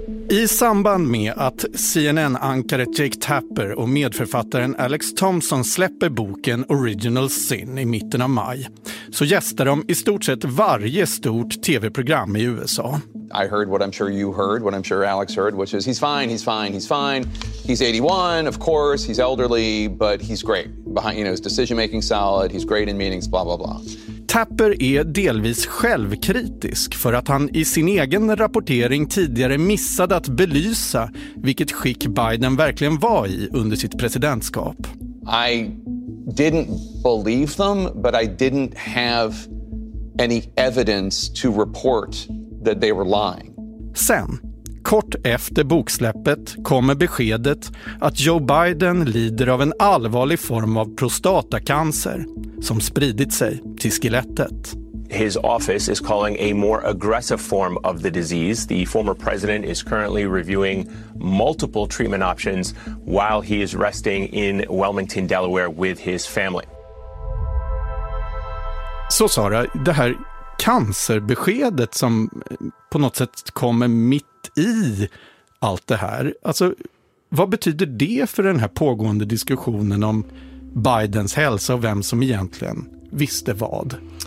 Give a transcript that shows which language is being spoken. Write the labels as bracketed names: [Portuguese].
[Swedish] I samband med att CNN-ankaret Jake Tapper och medförfattaren Alex Thompson släpper boken Original Sin i mitten av maj så gästar de i stort sett varje stort tv-program i USA. [English] I heard what I'm sure you heard, what I'm sure Alex heard, which is he's fine, he's fine, he's fine. He's 81, of course, he's elderly, but he's great. Behind, you know, his decision making solid, he's great in meetings, blah blah blah. [Swedish] Tapper är delvis självkritisk för att han i sin egen rapportering tidigare missade att belysa vilket skick Biden verkligen var i under sitt presidentskap. [English] I didn't believe them, but I didn't have any evidence to report that they were lying. [Swedish] Sen, kort efter boksläppet, kommer beskedet att Joe Biden lider av en allvarlig form av prostatacancer som spridit sig till skelettet. [English] His office is calling a more aggressive form of the disease. The former president is currently reviewing multiple treatment options while he is resting in Wilmington, Delaware with his family. [Swedish] Så Sara, det här cancerbeskedet som på något sätt kommer mitt i allt det här. Alltså, vad betyder det för den här pågående diskussionen om Bidens hälsa och vem som egentligen visste vad?